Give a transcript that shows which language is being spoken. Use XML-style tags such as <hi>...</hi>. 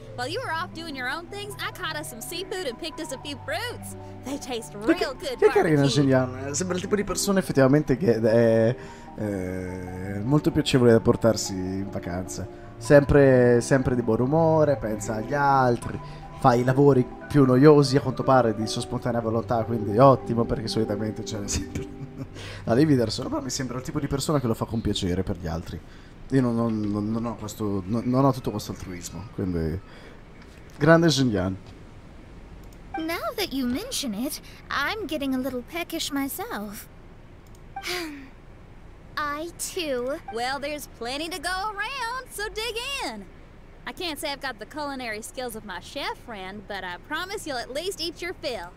<en>While you were off doing your own things, I caught us some seafood and picked us a few fruits. They taste real</en> <it>che,</it> <en>for our tea.</en> <it>Che carina, Shinyan. Sembra il tipo di persona effettivamente che è molto piacevole da portarsi in vacanza. Sempre di buon umore, pensa agli altri. Fa i lavori più noiosi, a quanto pare, di sua spontanea volontà, quindi ottimo, perché solitamente c'è sempre la dividersi. Però mi sembra il tipo di persona che lo fa con piacere per gli altri. Io non ho questo, non ho tutto questo altruismo, quindi... Grande Xinyan.</it> <en>Now that you mention it, I'm getting a little peckish myself. I too. Well, there's plenty to go around, so dig in. I can't say I've got the culinary skills of my chef friend, but I promise you'll at least eat your fill.</en>